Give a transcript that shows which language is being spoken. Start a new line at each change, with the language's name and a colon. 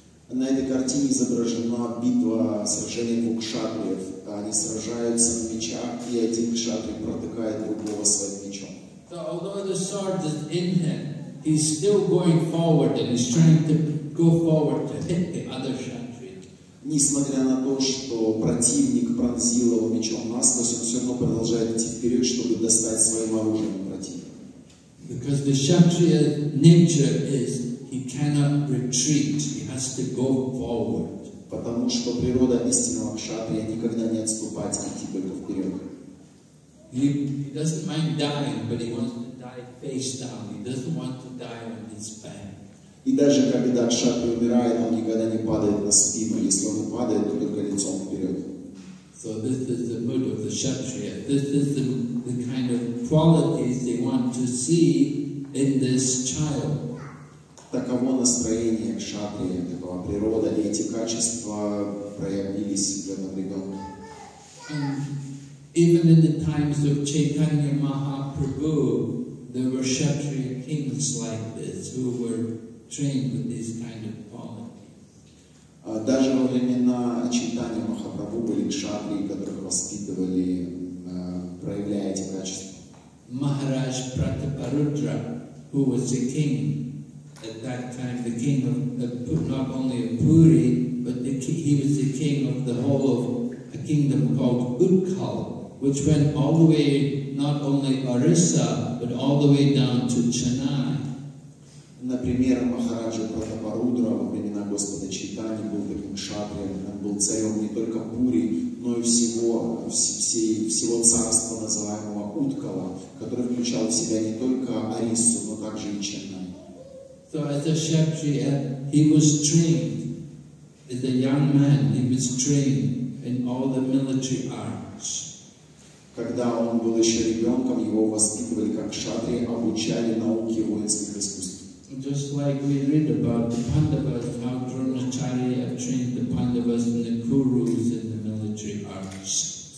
Russian: На этой картине изображена битва сражения двух кшатриев. Они сражаются на мечах, и один кшатри протыкает другого своим мечом.
English: So although the sword is in him, he's still going forward and he's trying to go forward to hit the other kshatri.
Russian: Несмотря на то, что противник пронзил его мечом насквозь, он все равно продолжает идти вперед, чтобы достать своим оружием противника.
English: Because the kshatriya nature is he cannot retreat, he has to go forward.
Russian: Потому что природа истинного кшатрия никогда не отступать, идти только вперед.
English: He doesn't mind dying, but he wants to die face down. He doesn't want to die on his back.
Russian: И даже когда кшатри умирает, он никогда не падает на спину. Если он падает, то только лицом вперед.
English: So this is the mood of the kshatriya. This is the kind of qualities they want to see in this child.
Russian: Таково настроение кшатри, такова природа, и эти качества проявились в этом ребенке.
English: Even in the times of Chaitanya Mahaprabhu, there were Kshatriya kings like this who were trained with these kind of qualities.
Russian: Даже во времена Чайтаньи Махапрабху были кшатрии, которых воспитывали, проявляя эти качества.
English: Maharaj Prataparudra, who was the king at that time, the king of not only of Puri, but he was the king of the whole of a kingdom called Utkal, which went all the way, not only Orissa, but all the way down to Chennai.
Russian: Например, Махараджа Пратапарудра во времена Господа Чайтаньи был таким кшатрием. Он был царем не только Пури, но и всего царства, называемого Уткала, который включал в себя не только Ориссу, но также и Чаннай.
English: So as a kshatriya, he was trained. As a young man, he was trained in all the military arts.
Russian: Когда он был еще ребенком, его воспитывали как кшатри, обучали науке воинских искусств.
English: Just like we read about the Pandavas, how Dronacharya trained the Pandavas and the Kurus in the military arts.